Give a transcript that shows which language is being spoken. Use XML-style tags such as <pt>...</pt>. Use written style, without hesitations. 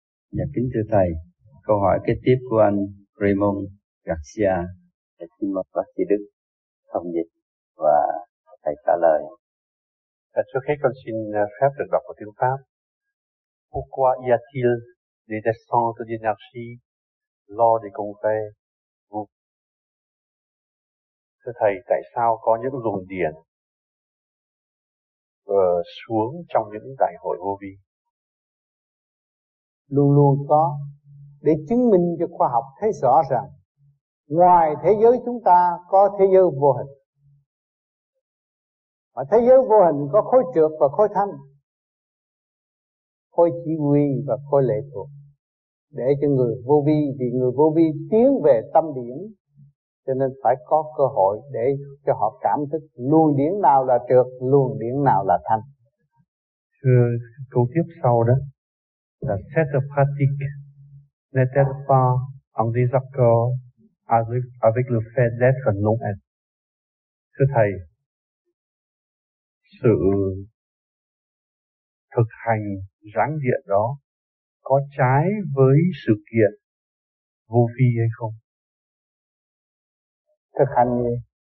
<vi>Dạ kính thưa Thầy, câu hỏi kế tiếp của anh Raymond Garcia. Thầy xin mời bác sĩ Đức thông dịch và Thầy trả lời. Trước hết con xin phép được đọc một tiếng Pháp.</vi> <fr>Pourquoi y a-t-il des descentes d'énergie lors des congrès?</fr> <vi>Thưa Thầy, tại sao có những luồng điện xuống trong những đại hội vô vi? Luôn luôn có, để chứng minh cho khoa học thấy rõ rằng ngoài thế giới chúng ta có thế giới vô hình. Mà thế giới vô hình có khối trược và khối thanh, khối chỉ huy và khối lệ thuộc, để cho người vô vi, vì người vô vi tiến về tâm điển, cho nên phải có cơ hội để cho họ cảm thức luồng điển nào là trược, luồng điển nào là thanh. Thưa câu tiếp sau đó, là</vi> <fr>cette pratique n'est-elle pas en désaccord avec le fait d'être non-être?</fr> <vi>Thưa Thầy, sự thực hành ráng điện đó có trái với sự kiện vô vi hay không? Thực hành gì?</vi>